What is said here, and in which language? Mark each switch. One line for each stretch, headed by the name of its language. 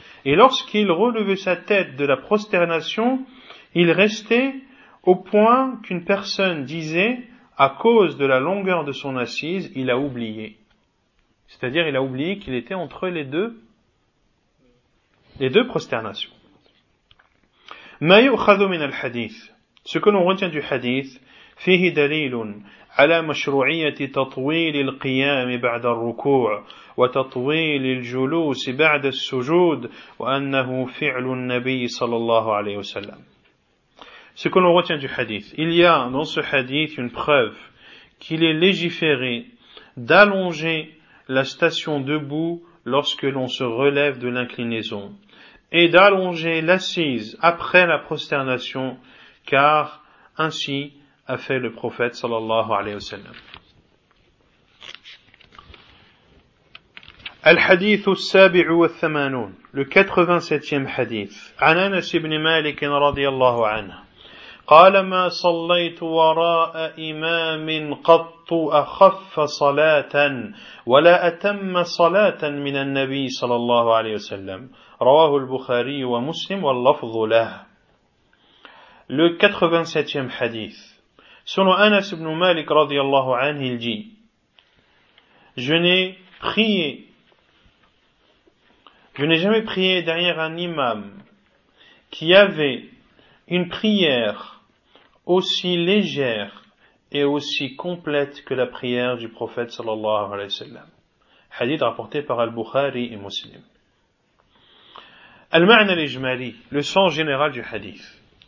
French: Et lorsqu'il relevait sa tête de la prosternation, il restait au point qu'une personne disait à cause de la longueur de son assise, il a oublié. C'est-à-dire, il a oublié qu'il était entre les deux prosternations.
Arabic: ما يؤخذ من الحديث.
French: Ce que l'on retient du hadith,
Arabic: فيه دليل على مشروعية تطويل القيام بعد الركوع وتطويل الجلوس بعد السجود وأنه فعل النبي صلى الله عليه وسلم.
French: Ce que l'on retient du hadith, il y a dans ce hadith une preuve qu'il est légiféré d'allonger la station debout lorsque l'on se relève de l'inclinaison et d'allonger l'assise après la prosternation, car ainsi a fait le prophète sallallahu alayhi wa sallam.
Arabic: الحديث السابع والثمانون
French: le 87e
Arabic: حديث عن أنس بن مالك رضي الله عنه قال ما صليت وراء إمام قط أخف صلاة ولا أتم صلاة من النبي صلى الله عليه وسلم رواه البخاري ومسلم واللفظ له
French: le 87e
Arabic: حديث سنو أنس بن مالك رضي الله عنه الجي
French: je n'ai prié Je n'ai jamais prié derrière un imam qui avait une prière aussi légère et aussi complète que la prière du prophète sallallahu alayhi wa sallam. Hadith rapporté par Al-Bukhari et Muslim.
Arabic: Al-Ma'na al-Ijmali,
French: le sens général du hadith.